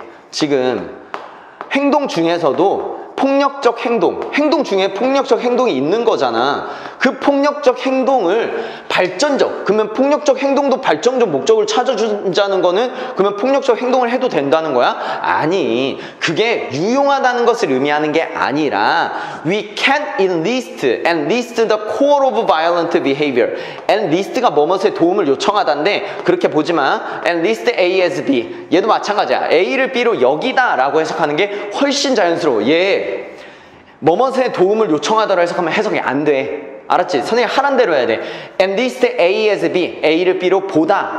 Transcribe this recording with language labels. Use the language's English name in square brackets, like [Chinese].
[Korean] 지금 행동 중에서도 폭력적 행동, 행동 중에 폭력적 행동이 있는 거잖아. 그 폭력적 행동을 발전적, 그러면 폭력적 행동도 발전적 목적을 찾아주자는 거는 그러면 폭력적 행동을 해도 된다는 거야? 아니, 그게 유용하다는 것을 의미하는 게 아니라 [English] We can enlist and list the core of violent behavior. [Korean] Enlist가 뭐뭐에 도움을 요청하단데 그렇게 보지만 enlist A as B. 얘도 마찬가지야. A를 B로 여기다 라고 해석하는 게 훨씬 자연스러워. 얘 뭐뭐에 도움을 요청하다라고 해석하면 해석이 안 돼. 알았지? 선생님 하란 대로 해야 돼. [English] Enlist A as B. [Korean] A를 B로 보다.